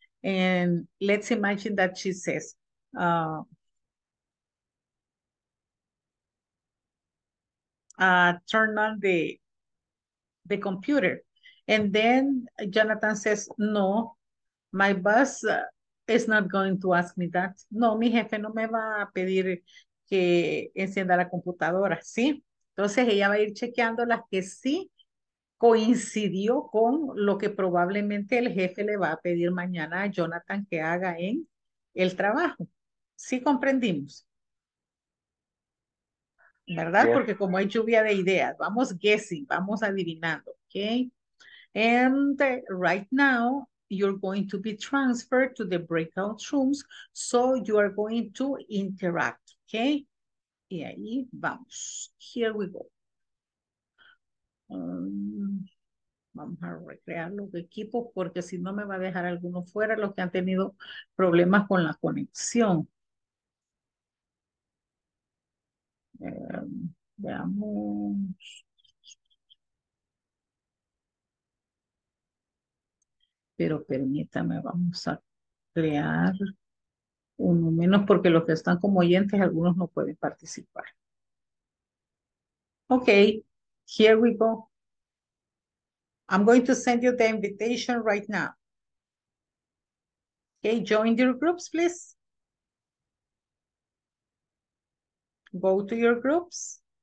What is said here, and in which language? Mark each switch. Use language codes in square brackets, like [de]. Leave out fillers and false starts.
[en] And let's imagine that she says, turn on the computer. And then Jonathan says, no, my boss is not going to ask me that. [es] No, mi jefe no me va a pedir que encienda la computadora, ¿sí? Entonces ella va a ir chequeando las que sí coincidió con lo que probablemente el jefe le va a pedir mañana a Jonathan que haga en el trabajo. ¿Sí comprendimos? ¿Verdad? Yeah. Porque como hay lluvia de ideas, vamos guessing, vamos adivinando, ¿ok? [en] And right now, you're going to be transferred to the breakout rooms, so you are going to interact. Okay, [es] y ahí vamos. [en] Here we go. [es] Vamos a recrear los equipos porque si no me va a dejar alguno fuera, los que han tenido problemas con la conexión. Veamos. Pero permítame, vamos a crear uno menos porque los que están como oyentes, algunos no pueden participar. [en] Okay, here we go. I'm going to send you the invitation right now. Okay, join your groups, please. Go to your groups.